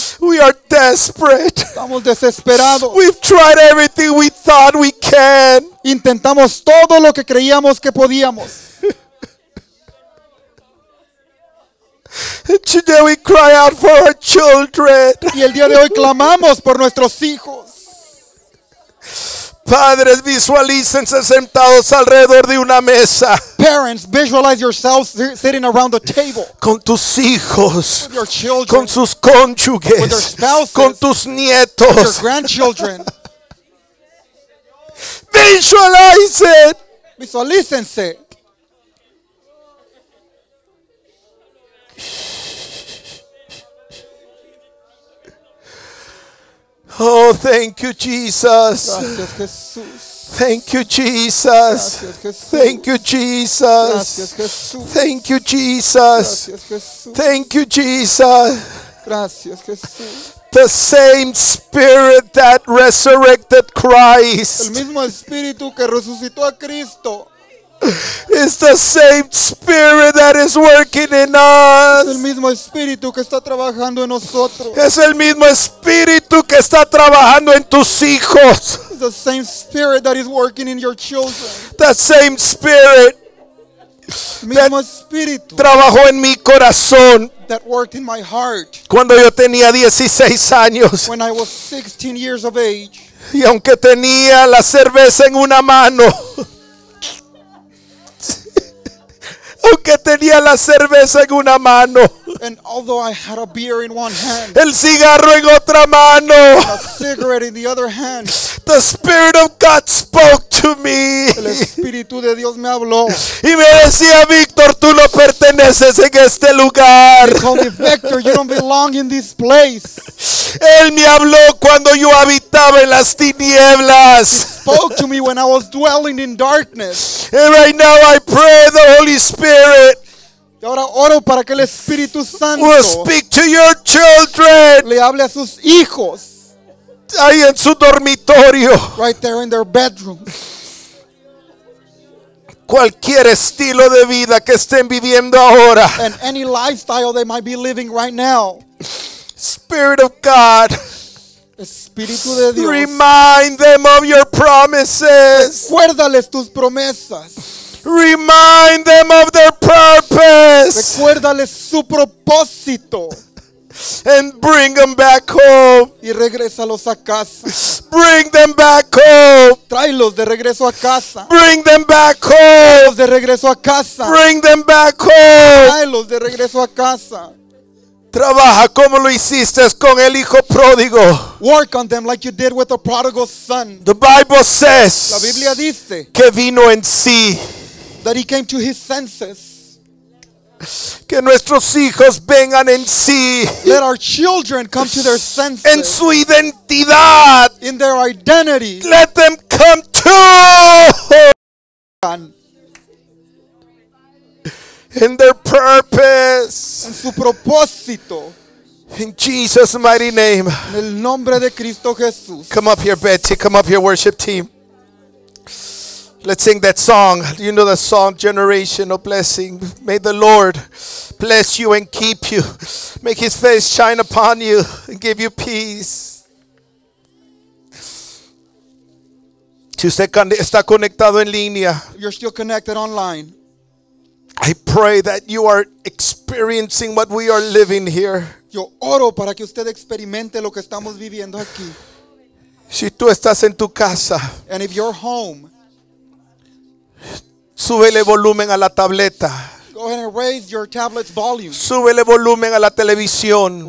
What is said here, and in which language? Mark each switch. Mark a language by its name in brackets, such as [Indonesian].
[English] We are desperate. [Spanish] Estamos desesperados. [English] We've tried everything we thought we can. [Spanish] Intentamos todo lo que creíamos que podíamos. [English] And today we cry out for our children. [Spanish] Y el día de hoy clamamos por nuestros hijos. Padres, visualícense sentados alrededor de una mesa. [English] Parents, visualize yourselves sitting around the table. [Spanish] Con tus hijos. [English] With your children. [Spanish] Con sus cónyuges. [English] With their spouses. [Spanish] Con tus nietos. [English] With your grandchildren. Visualize it. [Spanish] Visualícense. [English] Oh, thank you, Jesus. [Spanish] Gracias, Jesús. [English] Thank you, Jesus. Thank you, Jesus. Thank you, Jesus. Thank you, Jesus. [Spanish] Gracias, Jesús. [English] The same spirit that resurrected Christ. [Spanish] El mismo espíritu que resucitó a Cristo. [English] It's the same spirit that is working in us. [Spanish] Es el mismo espíritu que está trabajando en nosotros. Es el mismo espíritu que está trabajando en tus hijos. [English] It's the same spirit that is working in your children. The same spirit. [Spanish] Mismo espíritu. Trabajó en mi corazón. [English] That worked in my heart. [Spanish] Cuando yo tenía 16 años. [English] When I was 16 years of age. [Spanish] Y aunque tenía la cerveza en una mano. Aunque tenía la cerveza en una mano. [English] And although I had a beer in one hand. [Spanish] El cigarro en otra mano. [English] A cigarette in the other hand. The Spirit of God spoke to me. [Spanish] El Espíritu de Dios me habló. Y me decía, Víctor, tú no perteneces en este lugar. [English] He called me, Victor, you don't belong in this place. [Spanish] Él me habló cuando yo habitaba en las tinieblas. [English] He spoke to me when I was dwelling in darkness. And right now I pray the Holy Spirit. [Spanish] Ahora oro para que el Espíritu Santo [English] will speak to your children. [Spanish] Le hable a sus hijos. Ahí en su dormitorio. [English] Right there in their bedroom. [Spanish] Cualquier estilo de vida que estén viviendo ahora. [English] And any lifestyle they might be living right now. Spirit of God. [Spanish] Espíritu de Dios. [English] Remind them of your promises. [Spanish] Recuérdales tus promesas. [English] Remind them of their purpose. [Spanish] Recuérdales su propósito. [English] And bring them back home. [Spanish] Y regrésalos a casa. [English] Bring them back home. [Spanish] Tráelos de regreso a casa. [English] Bring them back home. [Spanish] Tráelos de regreso a casa. [English] Bring them back home. [Spanish] Tráelos de regreso a casa. Trabaja como lo hiciste con el hijo pródigo. [English] Work on them like you did with the prodigal son. The Bible says. [Spanish] La Biblia dice. Que vino en sí. [English] That he came to his senses. [Spanish] Que nuestros hijos vengan en sí. [English] Let our children come to their senses. [Spanish] En su identidad. [English] In their identity. Let them come to. In their purpose. [Spanish] En su propósito. [English] In Jesus' mighty name. [Spanish] En el nombre de Cristo Jesús. [English] Come up here, Betsy. Come up here, worship team. Let's sing that song. You know the song, Generation of Blessing. May the Lord bless you and keep you. Make his face shine upon you and give you peace. [Spanish] Si usted está conectado en línea, [English] you're still connected online. I pray that you are experiencing what we are living here. [Spanish] Yo oro para que usted experimente lo que estamos viviendo aquí. Si tú estás en tu casa, [English] and if you're home, [Spanish] súbele volumen a la tableta. [English] Go ahead and raise your tablet's volume. [Spanish] Súbele volumen a la televisión.